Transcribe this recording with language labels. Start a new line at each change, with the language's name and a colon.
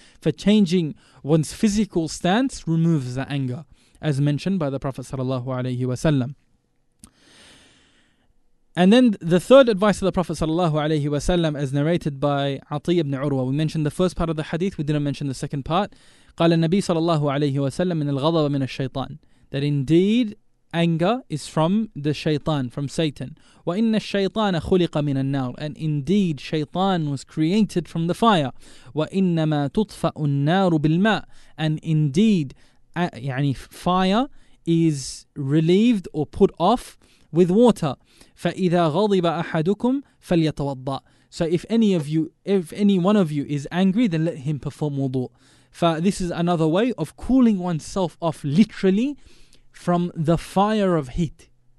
English: For changing one's physical stance removes the anger, as mentioned by the Prophet sallallahu alayhi wa sallam. And then the third advice of the Prophet sallallahu alayhi wa sallam, as narrated by Atiyah ibn Urwa. We mentioned the first part of the hadith, we didn't mention the second part.
Arabic: قال النبي صلى الله عليه وسلم إن الغضب من الشيطان.
English: That indeed anger is from the shaytan, from Satan.
Arabic: وإن الشيطان خلق من النار.
English: And indeed shaytan was created from the fire.
Arabic: وإنما تطفأ النار بالماء.
English: And indeed يعني fire is relieved or put off with water.
Arabic: فإذا غضب أحدكم فليتوضأ.
English: So if any of you, if any one of you is angry, then let him perform wudu. This is another way of cooling oneself off literally from the fire of heat.